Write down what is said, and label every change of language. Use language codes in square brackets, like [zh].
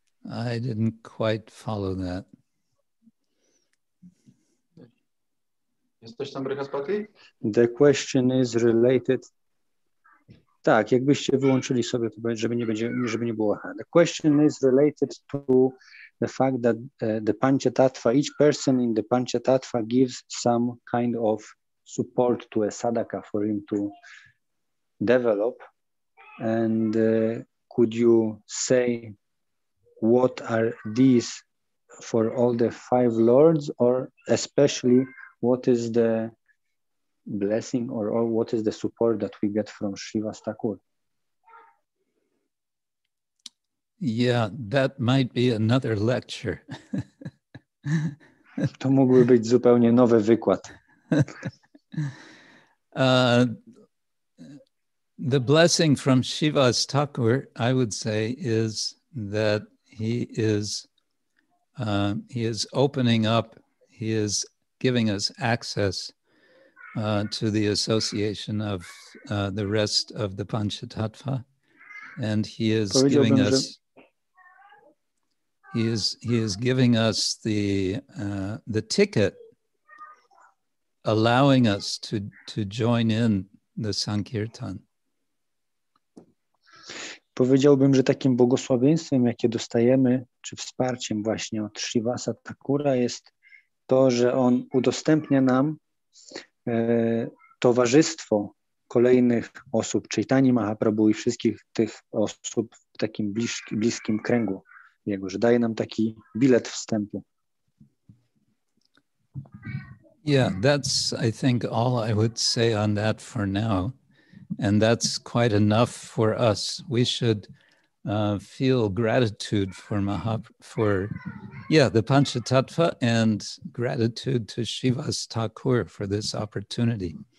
[en] I didn't quite follow that. [pl] Jesteś tam, Brihaspati? [en] The question is related. [pl] Tak, jakbyście wyłączyli sobie to, żeby nie było. [en] The question is related to the fact that the Panchatattva, each person in the Panchatattva gives some kind of support to a sadhaka for him to develop. And could you say what are these for all the five lords, or especially what is the blessing or what is the support that we get from Shiva's Thakur? Yeah, that might be another lecture. [pl] To mógłby być zupełnie nowy wykład. [en] The blessing from Shiva's Thakur, I would say, is that he is opening up, he is giving us access to the association of the rest of the Panchatattva, and he is giving us the ticket, allowing us to join in the Sankirtan. [pl] Powiedziałbym, że takim błogosławieństwem, jakie dostajemy, czy wsparciem właśnie od Shrivasa Thakura, jest to, że on udostępnia nam towarzystwo kolejnych osób, Chaitanya Mahaprabhu i wszystkich tych osób w takim bliskim kręgu jego, że daje nam taki bilet wstępu. [en] Yeah, that's I think all I would say on that for now. And that's quite enough for us. We should feel gratitude for the Panchatattva, and gratitude to Shiva's Thakur for this opportunity.